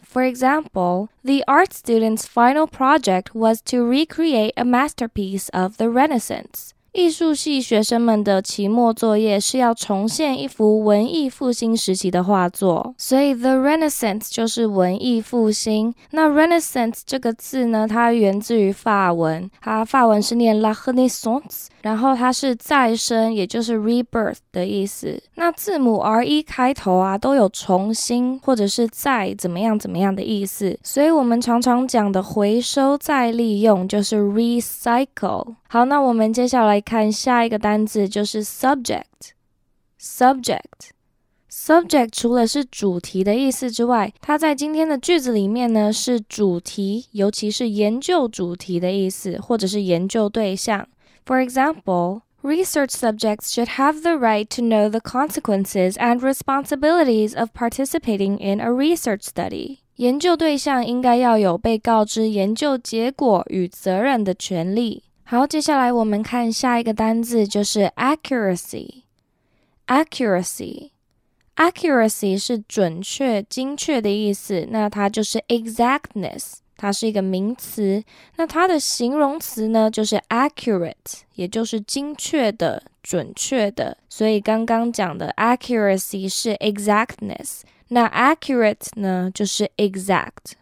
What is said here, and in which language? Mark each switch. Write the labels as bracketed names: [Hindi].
[English] For example, the art student's final project was to recreate a masterpiece of the Renaissance. [Chinese] 艺术系学生们的期末作业是要重现一幅文艺复兴时期的画作。所以 the Renaissance 就是文艺复兴。那 Renaissance 这个字呢，它源自于法文，它法文是念 La Renaissance，然后它是再生，也就是 rebirth 的意思。那字母 re 开头啊，都有重新或者是再怎么样怎么样的意思。所以我们常常讲的回收再利用就是 recycle。好，那我们接下来看下一个单字，就是 subject。subject。 subject 除了是主题的意思之外，它在今天的句子里面呢，是主题，尤其是研究主题的意思，或者是研究对象。 [English] For example, research subjects should have the right to know the consequences and responsibilities of participating in a research study. [Chinese] 研究对象应该要有被告知研究结果与责任的权利。好，接下来我们看下一个单字，就是 accuracy. Accuracy. accuracy 是准确精确的意思，那它就是 exactness， 它是一个名词，那它的形容词呢就是 accurate， 也就是精确的准确的，所以刚刚讲的 accuracy 是 exactness， 那 accurate 呢就是 exact。